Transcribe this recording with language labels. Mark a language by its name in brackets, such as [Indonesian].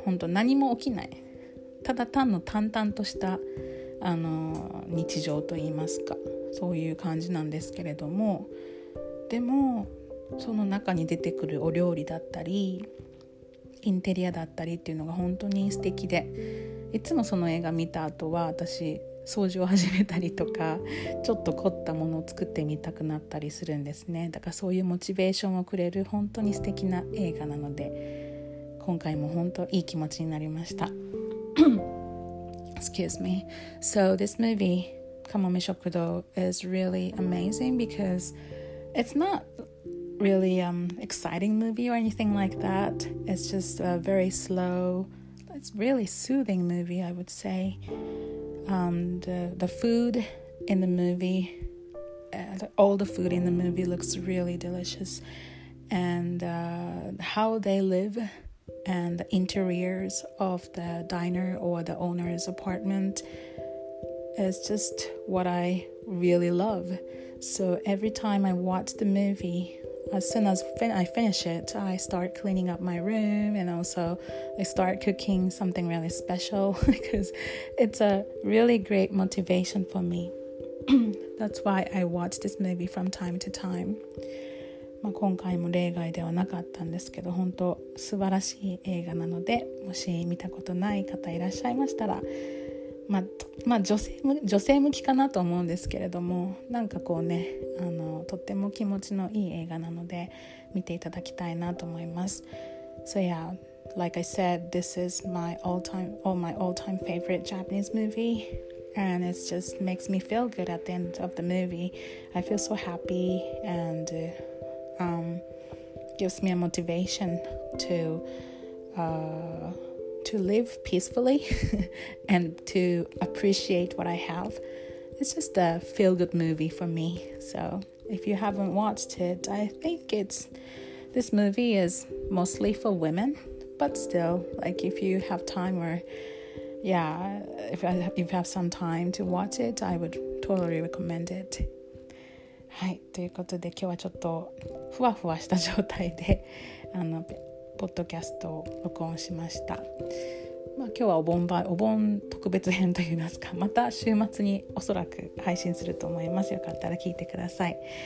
[Japanese] 本当、何も起きない。ただ単の淡々とした日常といいますか、そういう感じなんですけれども、でもその中に出てくるお料理だったりインテリアだったりっていうのが本当に素敵で、いつもその映画見た後は私掃除を始めたりとか、ちょっと凝ったものを作ってみたくなったりするんですね。だからそういうモチベーションをくれる本当に素敵な映画なので、今回も本当にいい気持ちになりました。 [English] Excuse me. So this movie, Kamome Shokudo, is really amazing because it's not really exciting movie or anything like that. It's just a very slow, it's really soothing movie, I would say. The food in the movie, all the food in the movie looks really delicious. And how they live... and the interiors of the diner or the owner's apartment is just what I really love. So every time I watch the movie, as soon as I finish it, I start cleaning up my room and also I start cooking something really special because it's a really great motivation for me. That's why I watch this movie from time to time. [Japanese] まあ、今回も例外ではなかったんですけど、本当素晴らしい映画なので、もし見たことない方いらっしゃいましたら、女性向きかなと思うんですけれども、なんかこうね、とっても気持ちのいい映画なので見ていただきたいなと思います。 [English] So yeah, like I said, this is my all-time favorite Japanese movieAnd it just makes me feel good at the end of the movie. I feel so happy and gives me a motivation to live peacefully and to appreciate what I have. It's just a feel-good movie for me. So if you haven't watched it, I think this movie is mostly for women, but still, like if you have time orYeah, if you have some time to watch it, I would totally recommend it. [Japanese] はい、ということで今日はちょっとふわふわした状態でポッドキャストを録音しました。まあ、今日はお盆特別編といいますか、また週末におそらく配信すると思います。よかったら聞いてください。